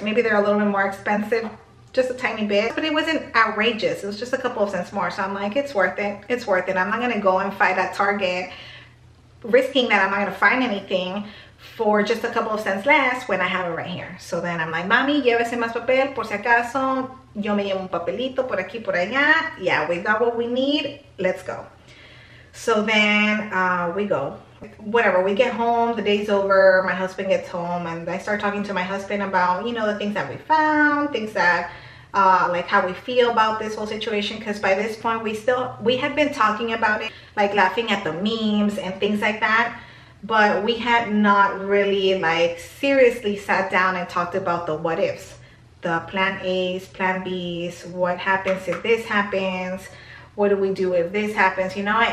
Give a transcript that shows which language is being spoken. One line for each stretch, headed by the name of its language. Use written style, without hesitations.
English: Maybe they're a little bit more expensive. Just a tiny bit, but it wasn't outrageous. It was just a couple of cents more. So I'm like, it's worth it. It's worth it. I'm not gonna go and fight at Target, risking that I'm not gonna find anything for just a couple of cents less when I have it right here. So then I'm like,
Spanish: mami, llévese más papel por si acaso. Yo me llevo un papelito por aquí, por allá.
English: Yeah, we got what we need. Let's go. So then we go. Whatever, we get home, the day's over, my husband gets home, and I start talking to my husband about, you know, the things that we found, things that like how we feel about this whole situation, because by this point we had been talking about it, like laughing at the memes and things like that, but we had not really like seriously sat down and talked about the what ifs, the plan A's, plan B's, what happens if this happens, what do we do if this happens, you know.